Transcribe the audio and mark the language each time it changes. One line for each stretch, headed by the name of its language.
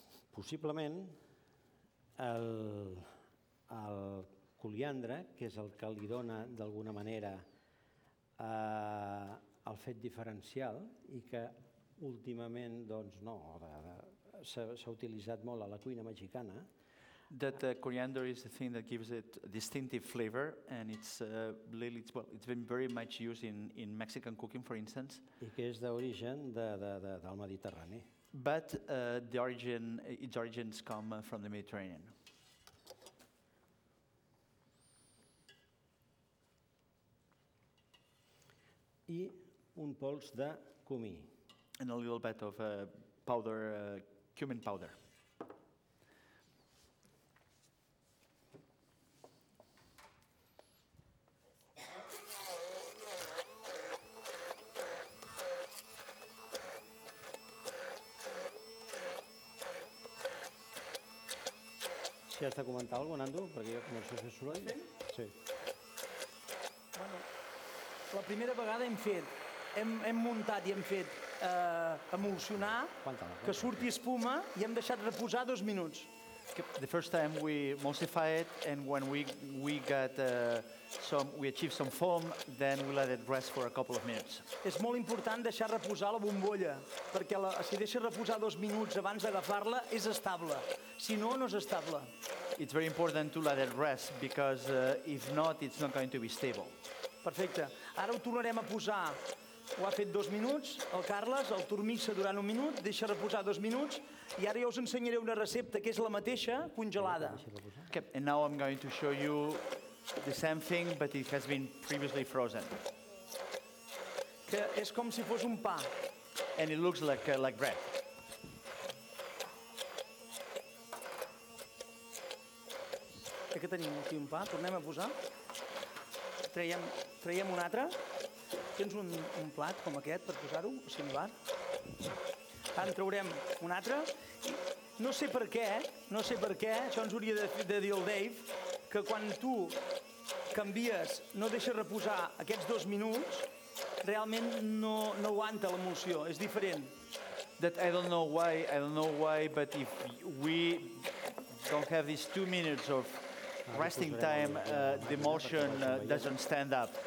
Catalan: Possiblement el coliandre, que és el que li dona d'alguna manera el fet diferencial i que últimament doncs no s'ha utilitzat molt a la cuina mexicana.
English: That the coriander is the thing that gives it distinctive flavor and it's been very much used in Mexican cooking, for instance.
Catalan: I que és d'origen del Mediterrani.
English: But its origins come from the Mediterranean.
Catalan: I un pols de cumí.
English: And a little bit of powder, cumin powder.
Catalan: Si has de comentar alguna cosa, Andu, perquè jo començo a fer soroll. Sí. Bueno, la primera vegada hem muntat i hem fet emulsionar, que surti espuma, i hem deixat reposar 2 minuts.
English: The first time we emulsified and when we achieved some foam, then we let it rest for a couple of minutes.
Catalan: És molt important deixar reposar la bombolla, perquè si deixa reposar 2 minuts abans d'agafar-la, és estable. Si no, no és estable.
English: It's very important to let it rest because if not, it's not going to be stable.
Catalan: Perfecte. Ara ho tornarem a posar. Ho ha fet 2 minuts, el Carles, el tornissa durant 1 minut, deixa reposar 2 minuts, i ara ja us ensenyaré una recepta que és la mateixa, congelada.
English: And now I'm going to show you the same thing, but it has been previously frozen.
Catalan: Que és com si fos un pa.
English: And it looks like bread.
Catalan: Que tenim aquí un pa, tornem a posar. Traiem un altre. Tens un plat com aquest per posar-ho, similar. En traurem un altre. No sé per què, això ens hauria de dir el Dave, que quan tu canvies, no deixes reposar aquests 2 minuts, realment no aguanta l'emulsió, és diferent.
English: That I don't know why, but if we don't have these 2 minutes of resting time, the motion doesn't stand up.